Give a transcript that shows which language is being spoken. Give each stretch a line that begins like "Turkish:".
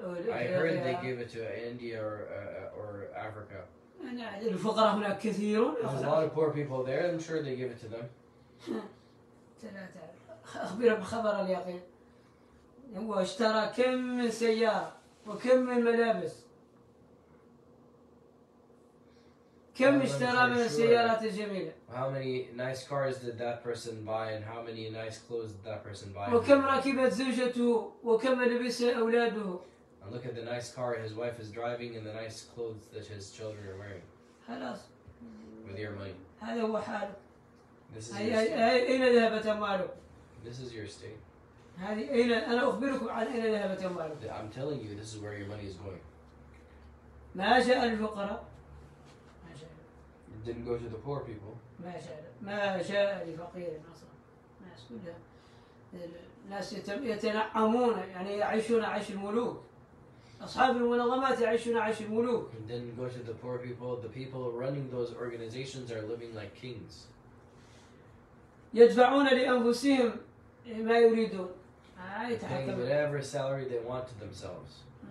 English: I heard they gave it to India or Africa.
Arabic: الفقراء هناك كثيرون.
English: There's a lot of poor people there. I'm sure they give it to them.
Arabic: أخبره بخبر اليقين هو اشترى كم من سيارة وكم من ملابس كم اشترى من السيارات الجميلة
English: how many nice cars did that person buy and how many nice clothes did that person buy
Arabic: وكم ركبت زوجته وكم لبس أولاده
English: And look at the nice car his wife is driving and the nice clothes that his children are wearing.
Arabic: خلاص.
English: With your money.
Arabic: هذا هو حاله.
English: This is your state.
Arabic: أين ذهبت أمواله؟
English: This is your state.
Arabic: هذه أين أنا أخبركم عن أين ذهبت أمواله؟
English: I'm telling you this is where your money is going.
Arabic: ما جاء الفقراء.
English: It didn't go to the poor people.
Arabic: ما جاء لفقير أصلا. ناس كلها الناس يتنعمون يعني يعيشون عيش الملوك. أصحاب المنظمات يعيشون عيش الملوك.
English: And then go to the poor people. The people running those organizations are living like kings.
Arabic: يدفعون لأنفسهم ما يريدون.
English: They pay whatever salary they want to themselves.